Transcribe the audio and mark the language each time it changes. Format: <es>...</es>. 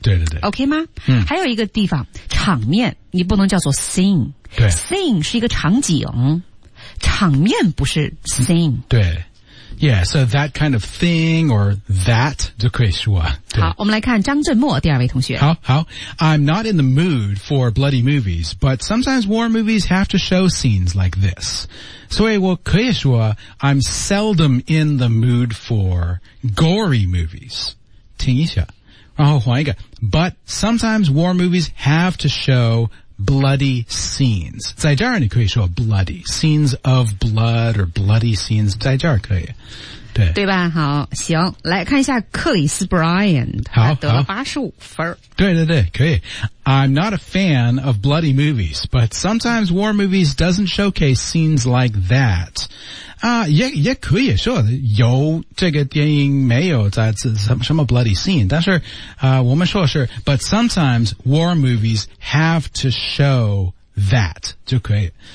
<zh>对对对，OK 吗？嗯。还有一个地方，场面你不能叫做 scene。对，scene 是一个场景，场面不是 scene。</zh> <en>对。Yeah, so that kind of thing or that</en> <zh>就可以说。好，我们来看张振墨第二位同学。好好</zh> <en>，I'm not in the mood for bloody movies, but sometimes war movies have to show scenes like this.</en> <zh>所以我可以说</zh> <en>，I'm seldom in the mood for gory movies.</en> <zh>听一下，然后换一个</zh> <en>，But sometimes war movies have to show. Bloody scenes.</en> <zh>在这儿你可以说</zh> <en>bloody. Scenes of blood or bloody scenes.</en> <zh>在这儿可以。对对吧？好，行，来看一下克里斯·布莱恩，他得了85分。对对对，可以。</zh> <en>I'm not a fan of bloody movies, but sometimes war movies doesn't showcase scenes like that.</en> <zh>啊，也可以说有这个电影没有在什么 bloody scene, 但是我们说是</zh> <en>but sometimes war movies have to show that,</en> <zh>就可以。</zh>